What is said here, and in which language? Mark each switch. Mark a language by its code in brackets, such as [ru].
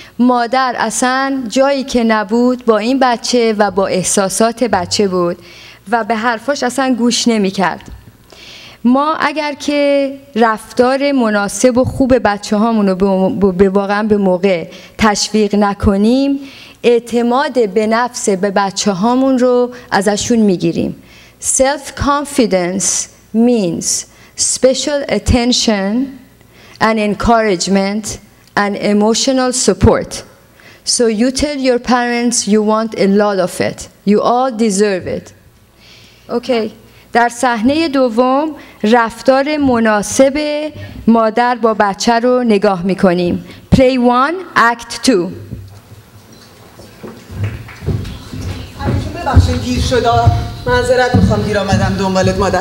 [fa] مادر اصلا جایی که نبود با این بچه و با احساسات بچه بود و به حرفاش اصلا گوش نمی کرد. ما اگر که رفتار مناسب و خوب بچه هامونو به واقعا به موقع تشویق نکنیم، اعتماد به نفس به بچه هامون رو ازشون می گیریم. [en] Self confidence means special attention and encouragement and emotional support. So you tell your parents you want a lot of it. You all deserve it. Okay. [fa] در صحنه دوم رفتار مناسب مادر با بچه رو نگاه می‌کنیم. [en] Play 1, Act 2. [fa] ببخشید دیر شد. معذرت می‌خوام، دیر اومدم دنبالت مادر.